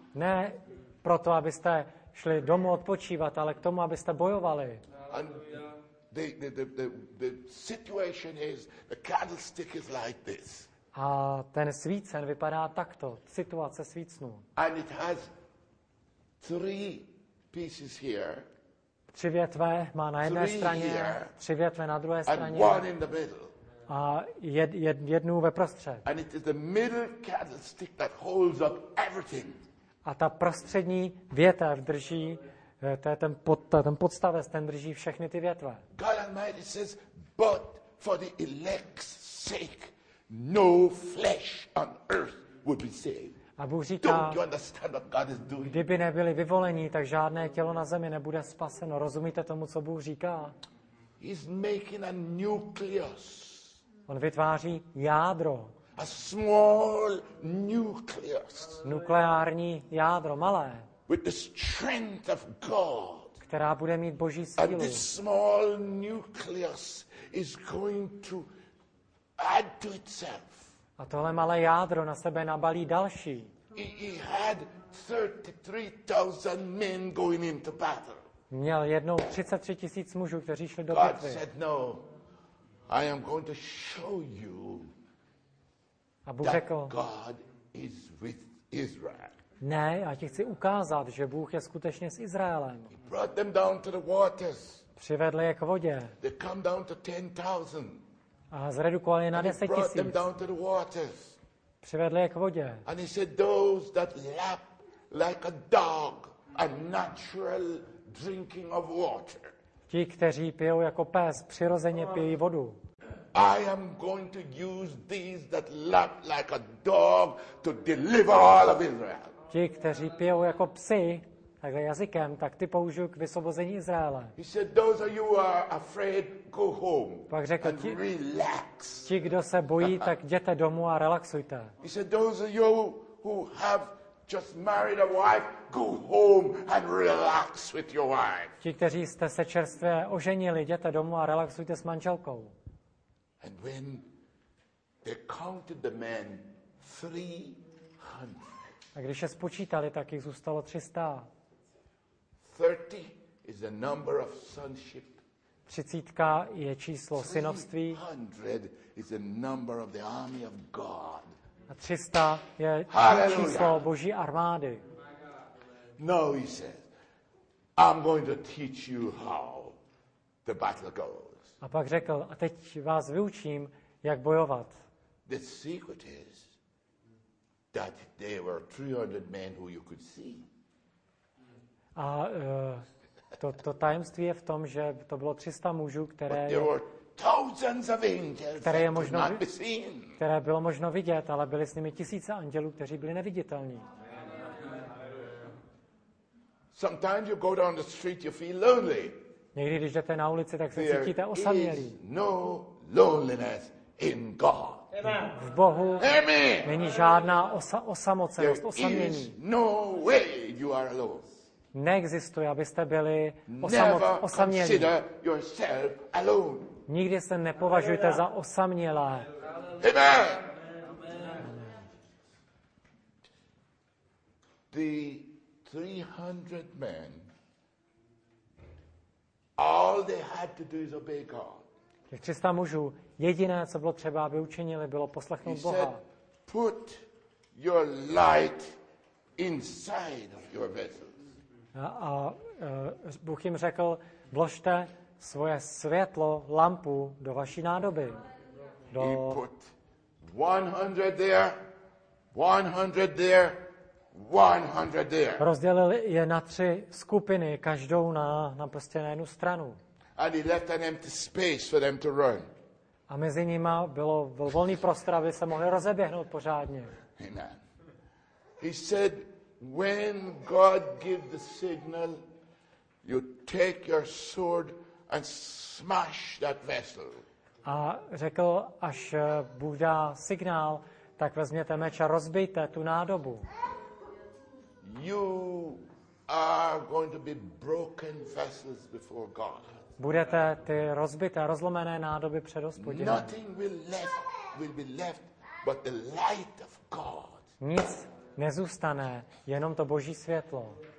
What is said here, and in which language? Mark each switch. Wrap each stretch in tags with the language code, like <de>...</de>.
<cs>Ne proto, abyste šli domů odpočívat, ale k tomu, abyste bojovali.</cs> <en>The situation is, the candlestick is like this.</en> <cs>A ten svícen vypadá takto, situace svícnu.</cs> <en>And it has three pieces here.</en> <cs>Tři větve má na jedné straně, tři větve na druhé straně.</cs> <en>And one in the middle.</en> <cs>A jednu ve prostřed.</cs> <en>And it is the middle candlestick that holds up everything.</en> <cs>A ta prostřední větev drží, to je ten podstavec, ten drží všechny ty větve.</cs> <en>God Almighty says, but for the elect's sake, no flesh on earth would be saved.</en> <cs>A Bůh říká,</cs> <en>don't you understand what God is doing?</en> <cs>Kdyby nebyli vyvolení, tak žádné tělo na zemi nebude spaseno. Rozumíte tomu, co Bůh říká?</cs> <en>He's making a nucleus.</en> <cs>On vytváří jádro.</cs> <en>A small nucleus.</en> <cs>Nukleární jádro, malé.</cs> <en>With the strength of God.</en> <cs>Která bude mít Boží sílu.</cs> <en>And this small nucleus is going to add to itself.</en> <cs>A tohle malé jádro na sebe nabalí další.</cs> <en>He had 33,000 men going into battle.</en> <cs>Měl jednou 33 tisíc mužů, kteří šli do bitvy.</cs> <en>God said no. I am going to show you.</en> <cs>A Bůh řekl,</cs> <en>God is with Israel.</en> <cs>Ne, já ti chci ukázat, že Bůh je skutečně s Izraelem.</cs> <en>He brought them down to the waters.</en> <cs>Přivedli je k vodě.</cs> <en>They come down to 10,000.</en> <cs>A zredukoval je na 10 tisíc.</cs> <en>Brought them down to the waters.</en> <cs>Přivedli je k vodě.</cs> <en>And he said, those that lap like a dog, a natural drinking of water.</en> <cs>Ti, kteří pijou jako pes, přirozeně pijí vodu.</cs> <en>I am going to use these that lap like a dog to deliver all of Israel.</en> <cs>Ti, kteří pijou jako psi, takhle jazykem, tak ty použiju k vysvobození Izraele.</cs> <en>He said, those of you are afraid, go home.</en> <cs>Pak řekl,</cs> <en>and relax.</en> <cs>Ti, kdo se bojí, tak jděte domů a relaxujte.</cs> <en>He said, those of you who have just married a wife, go home and relax with your wife.</en> <cs>Ti, kteří jste se čerstvě oženili, jděte domů a relaxujte s manželkou.</cs> <en>And when they counted the men, 300.</en> <cs>A když je spočítali, tak jich zůstalo 300.</cs> <en>30 is the number of sonship.</en> <cs>30 je číslo synovství.</cs> <en>300 is the number of the army of God.</en> <cs>A 300 je Hallelujah. Číslo Boží armády.</cs> <en>No, he says, I'm going to teach you how the battle goes.</en> <cs>A pak řekl, a teď vás vyučím, jak bojovat.</cs> <en>The secret is that there were 300 men who you could see.</en> <cs>A to tajemství je v tom, že to bylo 300 mužů, které</cs> <en>But there were thousands of angels</en> <cs>které</cs> <en>that could not be seen.</en> <cs>Které bylo možno vidět, ale byly s nimi tisíce andělů, kteří byli neviditelní.</cs> <en>Sometimes you go down the street, you feel lonely.</en> <cs>Někdy, když jdete na ulici, tak se cítíte osamělí.</cs> <en>No loneliness in God.</en> <cs>V Bohu není žádná osamocenost, osamění.</cs> <en>No way you are alone.</en> <cs>Neexistuje, abyste byli osamělí.</cs> <en>Never consider yourself alone.</en> <cs>Nikdy se nepovažujte za osamělé.</cs> <en>Amen. The 300 men. All they had to do is obey God.</en> <cs>Těch 300 mužů, jediné, co bylo třeba, aby učinili, bylo poslechnout Boha.</cs> <en>He said, put your light inside of your vessels.</en> <cs>A Bůh jim řekl, vložte svoje světlo, lampu, do vaší nádoby.</cs> <en>He put 100 there, 100 there, 100 there.</en> <cs>Rozdělil je na tři skupiny, každou na prostě na jednu stranu.</cs> <en>And he left an empty space for them to run.</en> <cs>A mezi nima bylo volný prostor, aby se mohli rozeběhnout pořádně.</cs> <en>Amen. He said, when God gives the signal, you take your sword and smash that vessel.</en> <cs>A řekl, až Bůh dá signál, tak vezměte meč a rozbijte tu nádobu.</cs> <en>You are going to be broken vessels before God.</en> <cs>Budete ty rozbité, rozlomené nádoby před Hospodinem.</cs> <en>Nothing will be left but the light of God.</en> <cs>Nic nezůstane, jenom to Boží světlo.</cs>